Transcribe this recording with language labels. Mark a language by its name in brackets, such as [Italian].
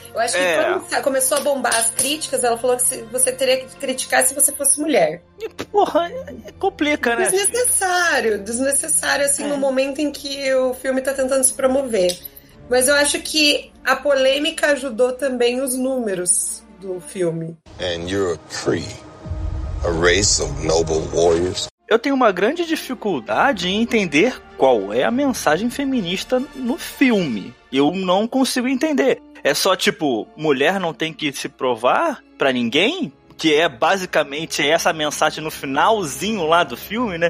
[Portuguese] Eu acho que quando começou a bombar as críticas, ela falou que você teria que criticar se você fosse mulher. E, porra, complica, né? Desnecessário, assim, no momento em que o filme tá tentando se promover. Mas eu acho que a polêmica ajudou também os números do filme. [English] And you're a Kree, a race of noble warriors. [Portuguese] Eu tenho uma grande dificuldade em entender qual é a mensagem feminista no filme. Eu não consigo entender. É só tipo, mulher não tem que se provar pra ninguém? Que é basicamente essa mensagem no finalzinho lá do filme, né?